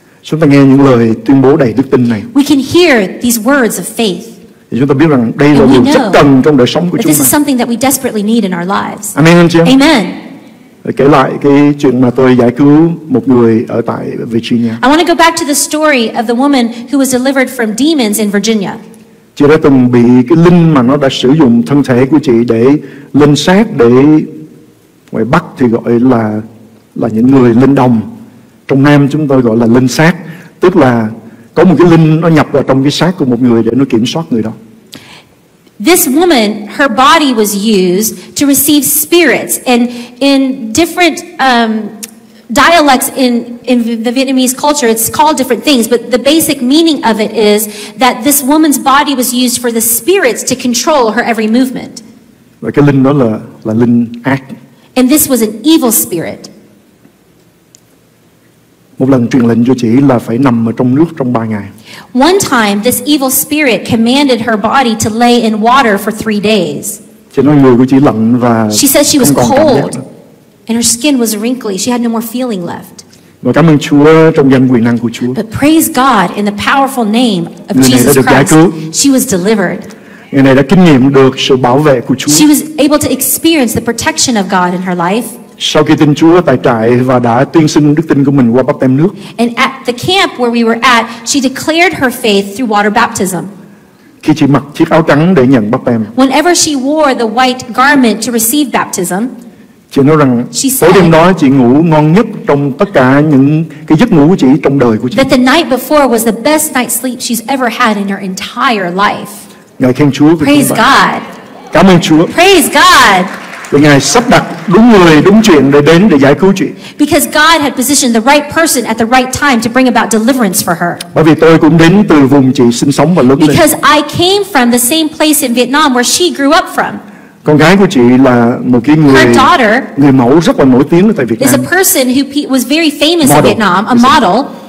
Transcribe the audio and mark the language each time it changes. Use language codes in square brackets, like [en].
[vi] Chúng ta nghe những lời tuyên bố đầy đức tin này. [en] We can hear these words of faith. [vi] Thì chúng ta biết rằng đây là điều rất cần trong đời sống của chúng ta. [en] This is something that we desperately need in our lives. [vi] Amen, anh chị em. [en] Amen. [vi] Kể lại cái chuyện mà tôi giải cứu một người ở tại Virginia. [en] I want to go back to the story of the woman who was delivered from demons in Virginia. [vi] Chị đã từng bị cái linh mà nó đã sử dụng thân thể của chị để linh xác, để ngoài Bắc thì gọi là những người linh đồng. Trong Nam chúng tôi gọi là linh xác, tức là có một cái linh nó nhập vào trong cái xác của một người để nó kiểm soát người đó. [en] This woman, her body was used to receive spirits, and in different dialects in the Vietnamese culture, it's called different things, but the basic meaning of it is that this woman's body was used for the spirits to control her every movement. [vi] Và cái linh đó là linh ác. [en] And this was an evil spirit. [vi] Một lần truyền lệnh cho chị là phải nằm ở trong nước trong 3 ngày. [en] One time this evil spirit commanded her body to lay in water for 3 days. [vi] Chị nói người của chị lạnh và [en] she said she was cold and her skin was wrinkly. She had no more feeling left. [vi] Và cảm ơn Chúa trong danh quyền năng của Chúa. [en] But praise God in the powerful name of Jesus Christ. She was delivered. [vi] Người này đã kinh nghiệm được sự bảo vệ của Chúa. [en] She was able to experience the protection of God in her life. [vi] Sau khi tin Chúa tại trại và đã tuyên xưng đức tin của mình qua báp têm nước. [en] And at the camp where we were at, she declared her faith through water baptism. [vi] Khi chị mặc chiếc áo trắng để nhận báp têm. [en] Whenever she wore the white garment to receive baptism. [vi] Chị nói rằng tối đêm đó chị ngủ ngon nhất trong tất cả những cái giấc ngủ của chị trong đời của chị. [en] That the night before was the best night's sleep she's ever had in her entire life. [vi] Ngợi khen Chúa. [en] Praise God. [vi] Cảm ơn Chúa. [en] Praise God. [vi] Vì Ngài sắp đặt đúng người đúng chuyện để đến để giải cứu chị. [en] Because God had positioned the right person at the right time to bring about deliverance for her. [vi] Bởi vì tôi cũng đến từ vùng chị sinh sống và lớn lên. [en] Because I came from the same place in Vietnam where she grew up from. [vi] Con gái của chị là một cái người người mẫu rất là nổi tiếng ở tại Việt Nam. [en] Is a person who was very famous in Vietnam, a model.